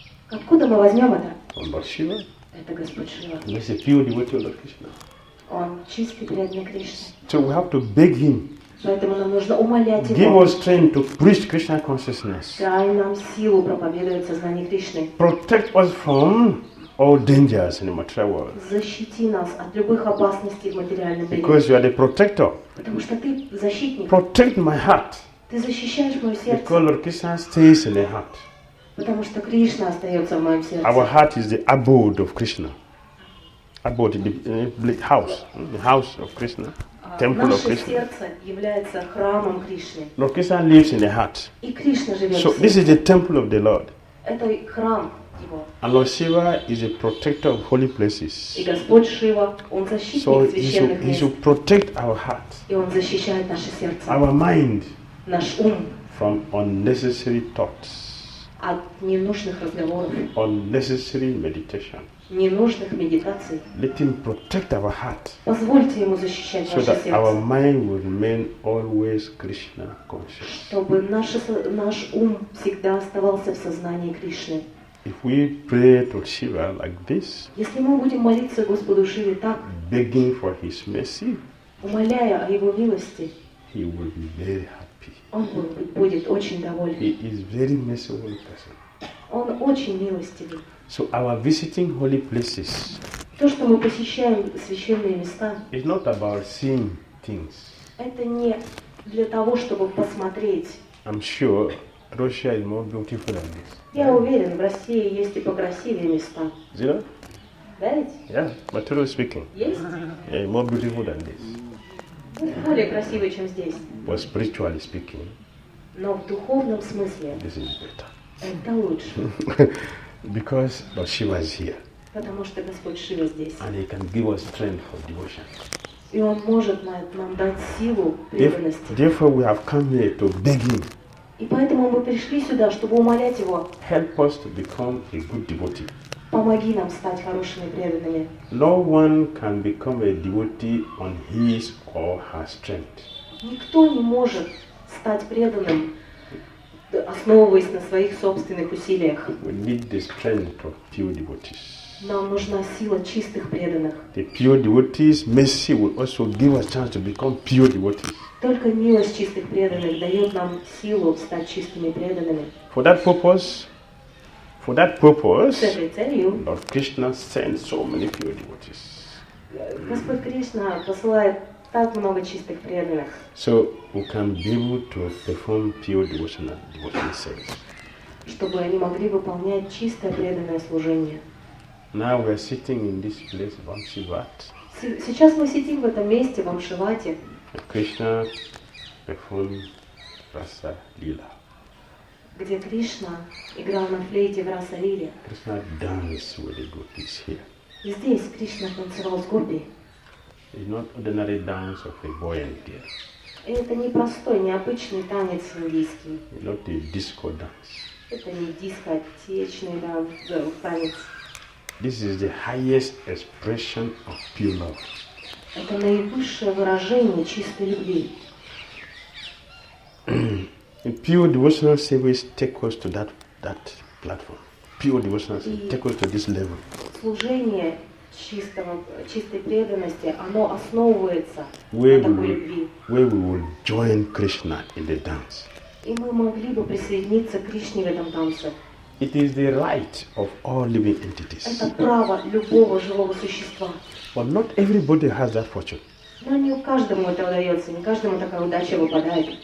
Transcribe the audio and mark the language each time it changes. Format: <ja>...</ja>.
<ru>Откуда мы возьмем это?</ru> <en>From Lord Shiva.</en> <ru>Это Господь Шива.</ru> <en>He is a pure devotee of Lord Krishna.</en> <ru>Он чистый преданный Кришне.</ru> <en>So we have to beg him.</en> <ru>Поэтому нам нужно умолять его.</ru> <en>Give us strength to preach Krishna consciousness.</en> <ru>Дай нам силу проповедовать сознание Кришны.</ru> <en>Protect us from all dangers in the material world.</en> <ru>Защити нас от любых опасностей в материальном мире.</ru> <en>Because you are the protector.</en> <ru>Потому что ты защитник.</ru> <en>Protect my heart.</en> <ru>Ты защищаешь мое сердце.</ru> <en>Because Lord Krishna stays in the heart.</en> <ru>Потому что Кришна остается в моем сердце.</ru> <en>Our heart is the abode of Krishna. Abode in the house of Krishna. Temple</en> <ru>наше</ru> <en>of Krishna.</en> <ru>Сердце является храмом Кришны.</ru> <en>Lord Krishna lives in the heart.</en> <ru>И Кришна живет в сердце.</ru> <en>So this is the temple of the Lord.</en> <ru>Это храм.</ru> <en>And Lord Shiva is a protector of holy places.</en> <ru>И Господь Шива, он защитник священных мест.</ru> <en>So he should protect our heart.</en> <ru>И он защищает наше сердце.</ru> <en>Our mind.</en> <ru>Наш ум.</ru> <en>From unnecessary thoughts.</en> <ru>От ненужных разговоров.</ru> <en>Unnecessary meditation.</en> <ru>Ненужных медитаций.</ru> <en>Let him protect our heart.</en> <ru>Позвольте ему защищать наше сердце.</ru> <en>So that our mind will remain always Krishna conscious.</en> <ru>Чтобы наш ум всегда оставался в сознании Кришны.</ru> <en>If we pray to Shiva like this,</en> <ru>если мы будем молиться Господу Шиве так,</ru> <en>begging for his mercy,</en> <ru>умоляя о его милости,</ru> <en>he will be very happy.</en> <ru>Он будет очень доволен.</ru> <en>He is very merciful person.</en> <ru>Он очень милостивый.</ru> <en>So our visiting holy places,</en> <ru>то, что мы посещаем священные места,</ru> <en>is not about seeing things.</en> <ru>Это не для того, чтобы посмотреть.</ru> <en>I'm sure Russia is more beautiful than this.</en> <ru>Я уверен, в России есть и покрасивее места. Zero? Да ведь?</ru> <en>Yeah, materially speaking.</en> <ru>Есть?</ru> <en>Yeah, more beautiful than this.</en> <ru>Более красивее, чем здесь.</ru> <en>But spiritually speaking.</en> <ru>Но в духовном смысле.</ru> <en>This is better.</en> <ru>Это лучше.</ru> <en>Because Lord Shiva is here.</en> <ru>Потому что Господь Шива здесь.</ru> <en>And he can give us strength for devotion.</en> <ru>И он может нам дать силу преданности.</ru> <en>Therefore, we have come here to beg him.</en> <ru>И поэтому мы пришли сюда, чтобы умолять его.</ru> <en>Help us to become a good devotee.</en> <ru>Помоги нам стать хорошими преданными.</ru> <en>No one can become a devotee on his or her strength.</en> <ru>Никто не может стать преданным, основываясь на своих собственных усилиях.</ru> <en>We need the strength of pure devotees.</en> <ru>Нам нужна сила чистых преданных.</ru> <en>The pure devotees, mercy will also give us chance to become pure devotees.</en> <ru>Только милость чистых преданных дает нам силу стать чистыми преданными.</ru> <en>For that purpose,</en> <ru>с этой целью,</ru> <en>Lord Krishna sent so many pure devotees.</en> <ru>Господь Кришна посылает так много чистых преданных.</ru> <en>So we can be able to perform pure devotional service.</en> <ru>Чтобы они могли выполнять чистое преданное служение.</ru> <en>Now we are sitting in this place, Vamshivat.</en> <ru>Сейчас мы сидим в этом месте, в Амшивате.</ru> <en>Кришна перформ раса лила.</en> <ru>Где Кришна играл на флейте в раса лиле. Кришна танцует с гопи гопис</ru> <en>here.</en> <ru>И здесь Кришна танцевал с гопи.</ru> <en>It's not ordinary dance of a boy and girl.</en> <ru>И это не простой, необычный танец индийский.</ru> <en>Not a disco dance.</en> <ru>Это не дискотечный танец.</ru> <en>This is the highest expression of pure love.</en> <ru>Это наивысшее выражение чистой любви.</ru> <en>Pure devotional service take us to that platform. Pure devotional service take us to this level.</en> <ru>Служение чистой преданности, оно основывается на такой любви.</ru> <en>Where we will join Krishna in the dance.</en> <ru>И мы могли бы присоединиться к Кришне в этом танце.</ru> <en>It is the right of all living entities.</en> <ru>Это право любого живого существа.</ru> <en>But not everybody has that fortune.</en> <ru>Но не каждому это удается, не каждому такая удача выпадает.</ru>